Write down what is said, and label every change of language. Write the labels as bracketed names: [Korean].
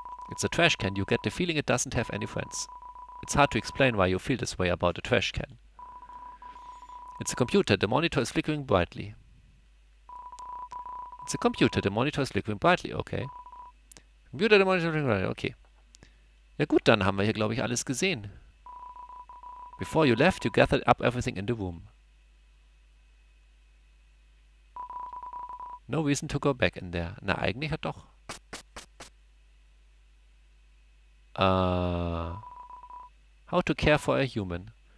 [English] It's a trash can. You get the feeling it doesn't have any friends. It's hard to explain why you feel this way about a trash can. It's a computer. The monitor is flickering brightly. It's a computer. The monitor is flickering brightly. Okay. Computer, the monitor is flickering brightly. Okay. [German] Ja gut, dann haben wir hier, glaube ich, alles gesehen. [English] Before you left, you gathered up everything in the room. No reason to go back in there. [German] Na, eigentlich hat doch. [English] How to care for a human.